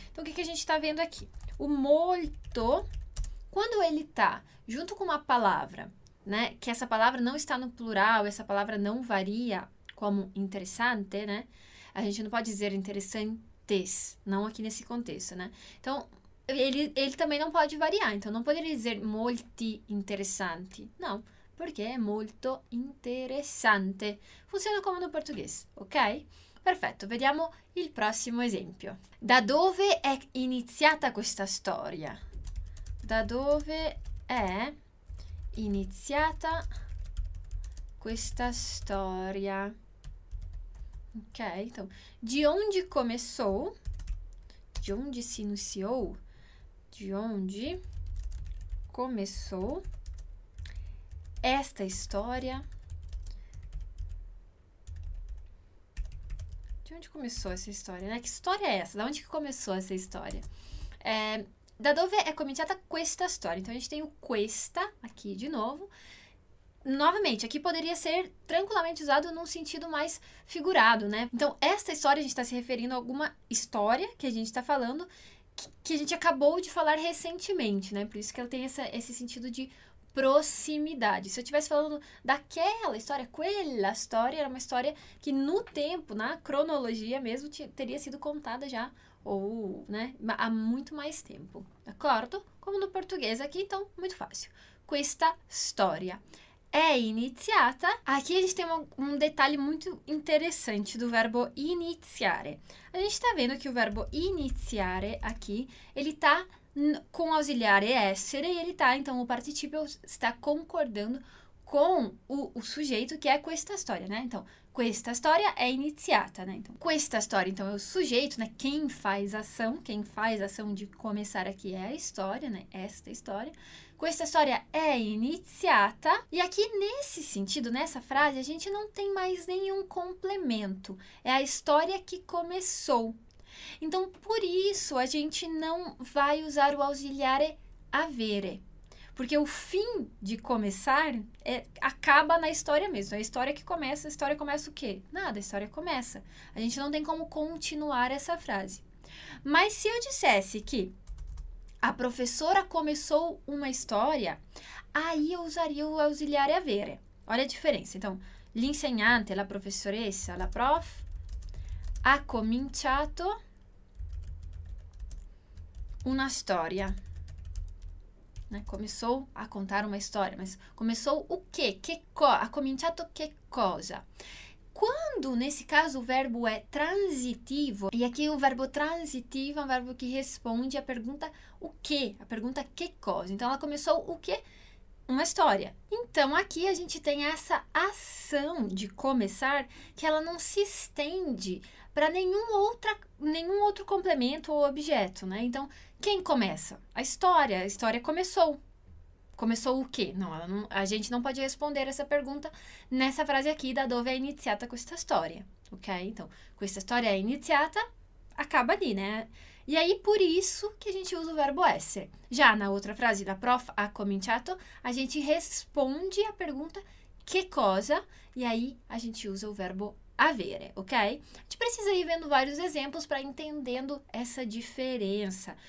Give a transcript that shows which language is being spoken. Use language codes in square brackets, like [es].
[pt] Então, o que que a gente está vendo aqui? O molto, quando ele está junto com uma palavra, né? Que essa palavra não está no plural, essa palavra não varia como interessante, né? A gente não pode dizer interessantes, não aqui nesse contexto, né? Então, ele também não pode variar. Então, não poderia dizer [it] molti interessanti. [pt] Não, porque é [it] molto interessante. Funziona come [pt] no português, ok? [it] Perfetto, vediamo il prossimo esempio. Da dove è iniziata questa storia? Da dove è iniziata questa storia? [pt] Ok, então, di onde começou? Di onde si iniziou? Di onde começou esta storia? De onde começou essa história, né? Que história é essa? Da onde que começou essa história? [it] Da dove é cominciata questa storia? [pt] Então, a gente tem o questa aqui de novo. Novamente, aqui poderia ser tranquilamente usado num sentido mais figurado, né? Então, esta história, a gente está se referindo a alguma história que a gente está falando que a gente acabou de falar recentemente, né? Por isso que ela tem esse sentido de proximidade. Se eu estivesse falando daquela história, aquela história era uma história que no tempo, na cronologia mesmo, teria sido contada já, ou, né, há muito mais tempo. [it] D'accordo? [pt] Como no português aqui, então, muito fácil. [it] Questa storia è iniziata. [pt] Aqui a gente tem um detalhe muito interessante do verbo iniziare. A gente está vendo que o verbo iniziare aqui, ele está com ausiliar essere, e ele tá, então o participio está concordando com o sujeito, que é questa storia, né? [it] Então, questa storia è iniziata, né? [pt] Então, questa storia, então, é o sujeito, né? Quem faz ação de começar aqui é a história, né? Esta história. [it] Questa storia è iniziata, [pt] e aqui nesse sentido, nessa frase, a gente não tem mais nenhum complemento. É a história que começou. Então, por isso, a gente não vai usar o ausiliare avere, porque o fim de começar acaba na história mesmo. É a história que começa. A história começa o quê? Nada, a história começa. A gente não tem como continuar essa frase. Mas se eu dissesse que a professora começou uma história, aí eu usaria o ausiliare avere. Olha a diferença. [it] Então, l'insegnante, la professoressa, la prof, ha cominciato una storia, né? [pt] Começou a contar uma história, mas começou o quê? [it] Ha cominciato che cosa? [pt] Quando, nesse caso, o verbo è transitivo, e aqui o verbo transitivo è um verbo [it] che risponde [pt] a pergunta o quê? A pergunta [it] che cosa? [pt] Então, ela começou o quê? Uma história. Então, aqui a gente tem essa ação de começar que ela não se estende para nenhum outro complemento ou objeto, né? Então, quem começa? A história. A história começou. Começou o quê? Não, não, a gente não pode responder essa pergunta nessa frase aqui, [it] da dove è iniziata questa storia, [pt] ok? Então, [it] questa storia è iniziata, [pt] acaba ali, né? E aí, por isso que a gente usa o verbo essere. Já na outra frase, [it] la prof ha cominciato, [pt] a gente responde a pergunta [it] che cosa, [pt] e aí a gente usa o verbo avere, ok? A gente precisa ir vendo vários exemplos para entendendo essa diferença.